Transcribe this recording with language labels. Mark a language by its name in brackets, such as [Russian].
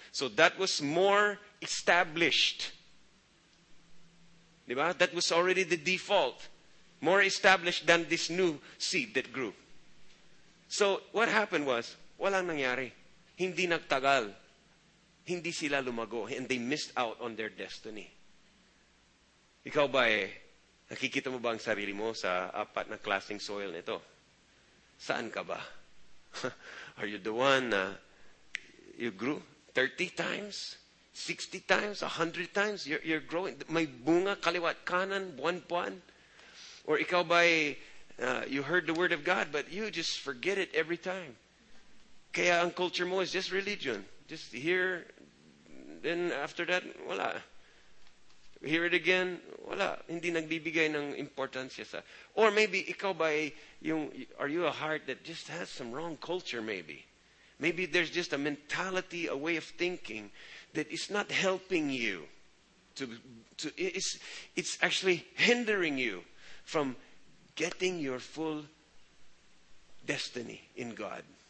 [English] So that was more established. Diba? That was already the default. More established than this new seed that grew. So what happened was, [Filipino] walang nangyari. Hindi nagtagal. Hindi sila lumago. [English] And they missed out on their destiny. [Filipino] Ikaw ba eh, nakikita mo ba ang sarili mo sa apat na klaseng soil nito? Saan ka ba? [English] Are you the one na you grew 30 times? 60 times, 100 times, you're growing. [Filipino] May bunga, kaliwat kanan, buwan-buwan. [English] Or [Filipino] ikaw ba, [English] you heard the word of God, but you just forget it every time. [Filipino] Kaya ang culture mo [English] is just religion. Just here, then after that, wala. Hear it again, wala. [Filipino] Hindi nagbibigay ng importansya sa. [English] Or maybe [Filipino] ikaw ba, [English] are you a heart that just has some wrong culture maybe? Maybe there's just a mentality, a way of thinking that is not helping you to it's actually hindering you from getting your full destiny in God.